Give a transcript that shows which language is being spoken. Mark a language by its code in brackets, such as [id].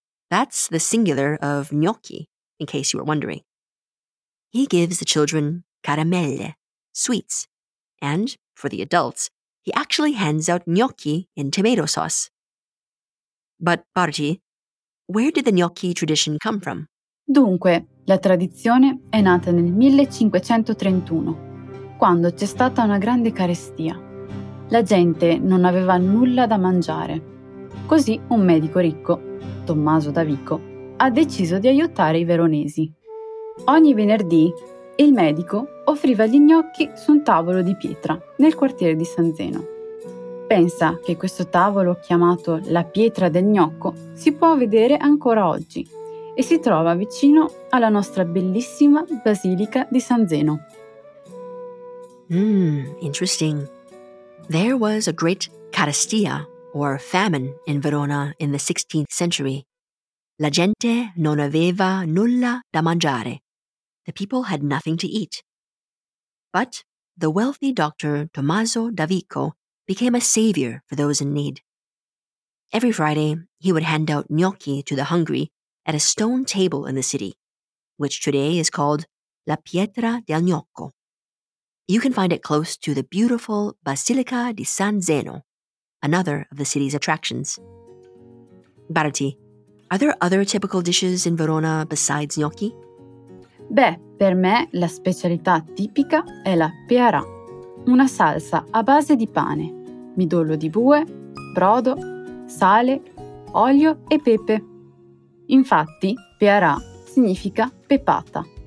[en] That's the singular of gnocchi, in case you were wondering. He gives the children caramelle, sweets, and for the adults, he actually hands out gnocchi in tomato sauce. But Barti, where did the gnocchi tradition come from? [it] Dunque, la tradizione è nata nel 1531, quando c'è stata una grande carestia. La gente non aveva nulla da mangiare. Così un medico ricco, Tommaso da Vico, ha deciso di aiutare i veronesi. Ogni venerdì, il medico offriva gli gnocchi su un tavolo di pietra nel quartiere di San Zeno. Pensa che questo tavolo, chiamato la pietra del gnocco, si può vedere ancora oggi e si trova vicino alla nostra bellissima Basilica di San Zeno. [en] Interesting. There was a great carestia, or famine, in Verona in the 16th century. [it] La gente non aveva nulla da mangiare. [en] The people had nothing to eat. But the wealthy doctor Tommaso da Vico became a savior for those in need. Every Friday, he would hand out gnocchi to the hungry at a stone table in the city, which today is called La Pietra del Gnocco. You can find it close to the beautiful Basilica di San Zeno, another of the city's attractions. Barti, are there other typical dishes in Verona besides gnocchi? [it] Beh, per me la specialità tipica è la peara, una salsa a base di pane, midollo di bue, brodo, sale, olio e pepe. Infatti, peara significa pepata.